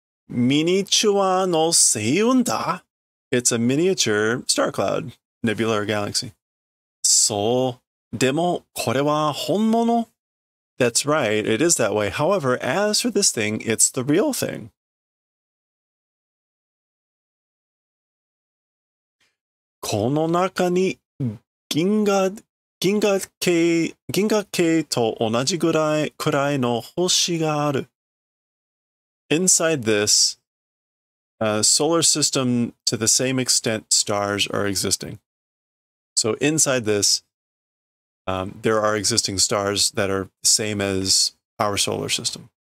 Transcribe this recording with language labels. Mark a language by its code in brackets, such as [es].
[en] Minichua no seiyun da. It's a miniature star cloud, nebula or galaxy. [ja] そう。でもこれは本物? [en] That's right, it is that way. However, as for this thing, it's the real thing. [ja] この中に銀河系と同じくらいの星がある。 [en] Inside this, solar system to the same extent stars are existing. So inside this, there are existing stars that are the same as our solar system.